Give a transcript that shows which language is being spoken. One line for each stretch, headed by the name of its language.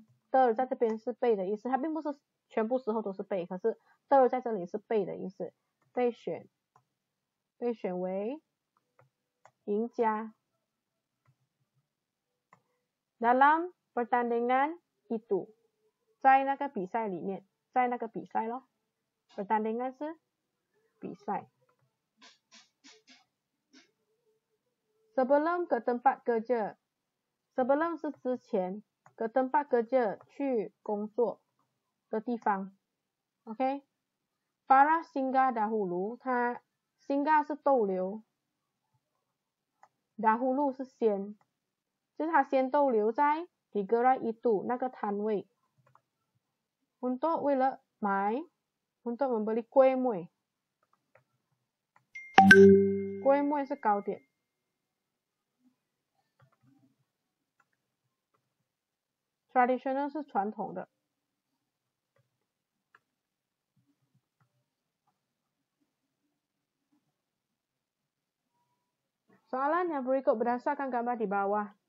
Chinese: 德尔在这边是被的意思，他并不是全部时候都是被，可是德尔在这里是被的意思，被选，被选为赢家。
Malay: Dalam pertandingan itu，
Chinese: 在那个比赛里面，在那个比赛咯， pertandingan 是比赛。
Malay: Sebelum ke tempat kerja， sebelum 是之前， ke tempat kerja
Chinese: 去工作的地方，
Malay: OK。 Farah singgah dahulu，
Chinese: 他 singgah 是逗留， dahulu 是先，就是他先逗留在 digerai itu 那个摊位， untuk 为了买，
Malay: untuk membeli kuih muih，
Chinese: kuih muih 是糕点。 traditional 是传统的。
Malay: soalan yang berikut berdasarkan gambar di bawah。